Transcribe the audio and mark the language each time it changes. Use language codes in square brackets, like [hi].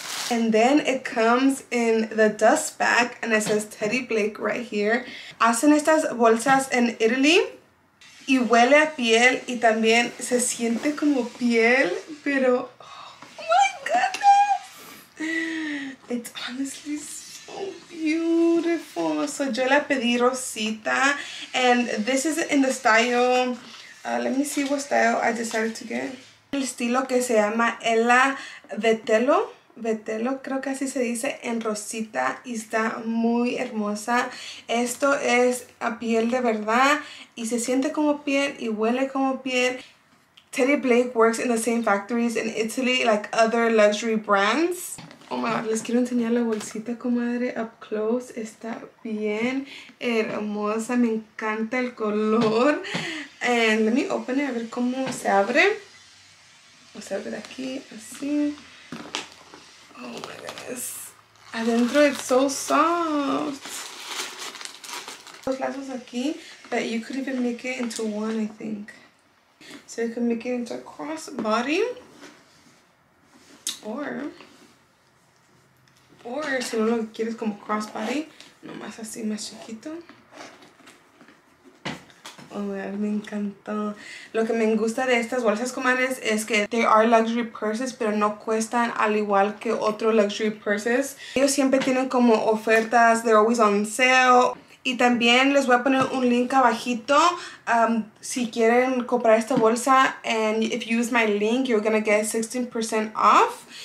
[en] And then it comes in the dust bag and it says Teddy Blake right here. [es] Hacen estas bolsas en Italy y huele a piel y también se siente como piel, pero [en] oh my goodness. It's honestly so beautiful. So [es] yo la pedí rosita [en] and this is in the style. Let me see what style I decided to get. [es] El estilo que se llama Ella Vetello. Vetello, creo que así se dice, en rosita y está muy hermosa. Esto es a piel de verdad y se siente como piel y huele como piel. [en] Teddy Blake works in the same factories in Italy like other luxury brands. [es] Oh my god, les quiero enseñar la bolsita, comadre, [en] up close. [es] Está bien hermosa, me encanta el color. [en] And let me open it, [es] a ver cómo se abre. Vamos a abrir aquí, así. [en] Oh my goodness. Adentro it's so soft. [es] Los lazos aquí, [en] but you could even make it into one, I think. So you can make it into a cross body. [es] Or si no lo quieres como cross body, nomás así más chiquito. Oh, man, me encantó. Lo que me gusta de estas bolsas, comadres, es que [en] they are luxury purses, [es] pero no cuestan al igual que otros luxury purses. Ellos siempre tienen como ofertas, [en] they're always on sale. [es] Y también les voy a poner un link abajito si quieren comprar esta bolsa. [en] And if you use my link, you're gonna get 16% off.